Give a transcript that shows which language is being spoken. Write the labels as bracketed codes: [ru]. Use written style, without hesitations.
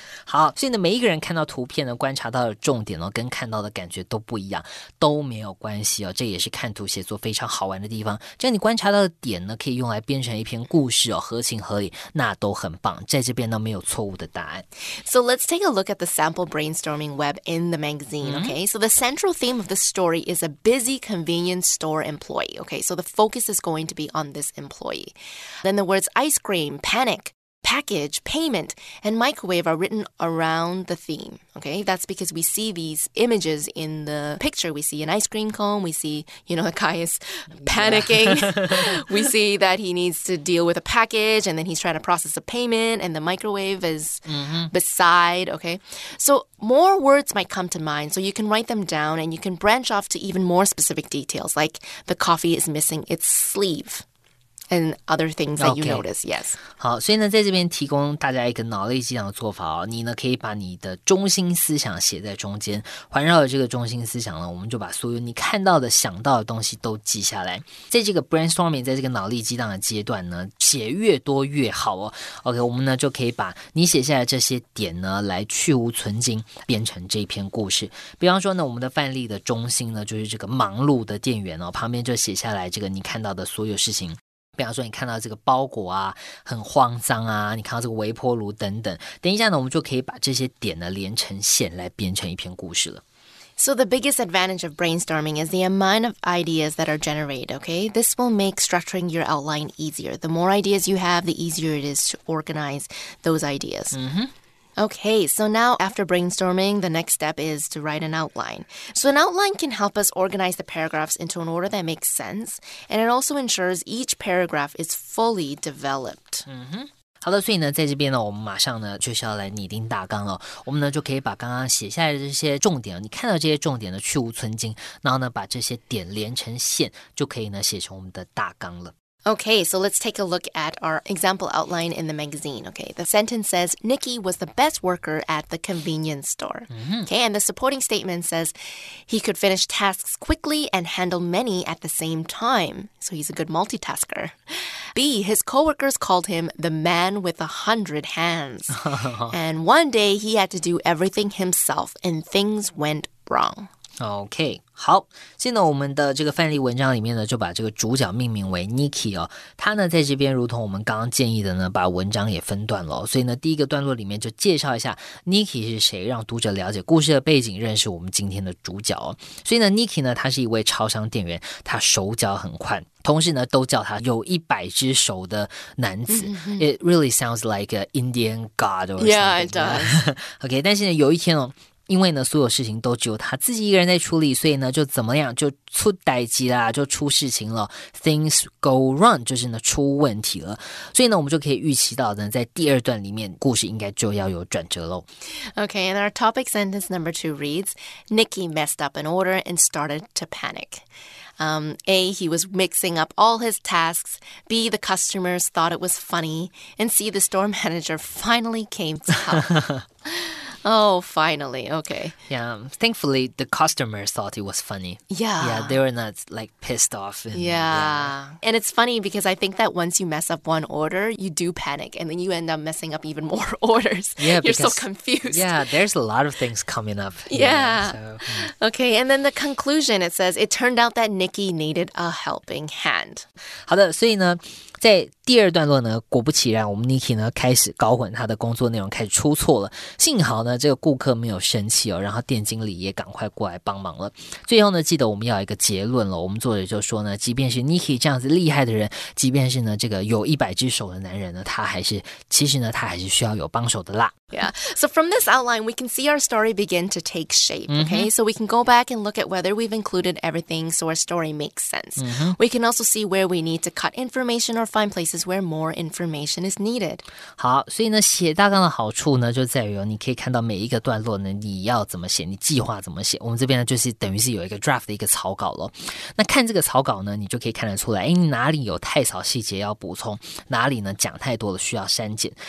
[zh] 好，所以呢，每一个人看到图片呢，观察到的重点呢，跟看到的感觉都不一样，都没有关系哦。这也是看图写作非常好玩的地方。这样你观察到的点呢，可以用来编成一篇故事哦，合情合理，那都很棒。在这边呢，没有错误的答案。 [en] So let's take a look at the sample brainstorming web in the magazine. Okay, so the central theme of the story is a busy convenience store employee. Okay, so the focus is going to be on this employee. Then the words ice cream, panic. Package, payment, and microwave are written around the theme. Okay, that's because we see these images in the picture. We see an ice cream cone. We see, you know, the guy is panicking. We see that he needs to deal with a package, and then he's trying to process a payment, and the microwave is beside. Okay, so more words might come to mind, so you can write them down, and you can branch off to even more specific details, like the coffee is missing its sleeve. And other things that you notice, yes. [zh] 好，所以呢，在这边提供大家一个脑力激荡的做法哦。你呢，可以把你的中心思想写在中间，环绕着这个中心思想呢，我们就把所有你看到的、想到的东西都记下来。在这个 brainstorming， 在这个脑力激荡的阶段呢，写越多越好哦。 OK， 我们呢就可以把你写下来这些点呢，来去无存精，变成这篇故事。比方说呢，我们的范例的中心呢，就是这个忙碌的店员哦，旁边就写下来这个你看到的所有事情。比方说你看到这个包裹啊很慌张啊你看到这个微波炉等等等一下呢我们就可以把这些点呢连成线来编成一篇故事了。 [en] So the biggest advantage of brainstorming is the amount of ideas that are generated, okay? This will make structuring your outline easier. The more ideas you have, the easier it is to organize those ideas. Okay, so now after brainstorming, the next step is to write an outline. So an outline can help us organize the paragraphs into an order that makes sense, and it also ensures each paragraph is fully developed. [zh] 好的，所以呢，在这边呢，我们马上呢就是要来拟定大纲了。我们呢就可以把刚刚写下来的这些重点，你看到这些重点呢去无存精，然后呢把这些点连成线，就可以呢写成我们的大纲了。 [en] Okay, so let's take a look at our example outline in the magazine. Okay, the sentence says, Nikki was the best worker at the convenience store. Okay, and the supporting statement says, he could finish tasks quickly and handle many at the same time. So he's a good multitasker. B, his coworkers called him the man with 100 hands. And one day he had to do everything himself and things went wrong. [zh] OK， 好，现在我们的这个范例文章里面呢，就把这个主角命名为 Nikki 哦。他呢，在这边如同我们刚刚建议的呢，把文章也分段了、哦。所以呢，第一个段落里面就介绍一下 Nikki 是谁，让读者了解故事的背景，认识我们今天的主角、哦。所以呢 ，Nikki 呢，他是一位超商店员，他手脚很快，同时呢，都叫他有100只手的男子。 [en] It really sounds like an Indian god or something. Yeah, it does. [zh] OK， 但是呢，有一天哦。因为呢，所有事情都只有他自己一个人在处理，所以呢，就怎么样就出歹机啦，就出事情了。 [en] Things go wrong， [zh] 就是呢出问题了。所以呢，我们就可以预期到呢，在第二段里面，故事应该就要有转折喽。 [en] Okay, and our topic sentence number 2 reads: Nikki messed up an order and started to panic. A, he was mixing up all his tasks. B, the customers thought it was funny. And C, the store manager finally came to help. Oh, finally. Okay. Yeah. Thankfully, the customers thought it was funny. Yeah. Yeah. They were not like pissed off. And it's funny because I think that once you mess up one order, you do panic and then you end up messing up even more orders. Yeah. You're so confused. Yeah. There's a lot of things coming up. Yeah. Okay. And then the conclusion, it says, it turned out that Nikki needed a helping hand. [zh] 好的。所以呢。在第二段落呢，果不其然，我们 Nikki 呢开始搞混他的工作内容，开始出错了。幸好呢，这个顾客没有生气哦，然后店经理也赶快过来帮忙了。最后呢，记得我们要一个结论了。我们作者就说呢，即便是 Nikki 这样子厉害的人，即便是呢这个有100只手的男人呢，他还是需要有帮手的啦。 [en] Yeah. So from this outline, we can see our story begin to take shape. Okay. So we can go back and look at whether we've included everything, so our story makes sense. We can also see where we need to cut information or. Find places where more information is needed. [zh] 好，所以呢，写大纲的好处呢，就在于你可以看到每一个段落呢，你要怎么写，你计划怎么写。我们这边呢，就是等于是有一个 draft 的一个草稿了。那看这个草稿呢，你就可以看得出来，哎，哪里有太少细节要补充，哪里呢讲太多了需要删减。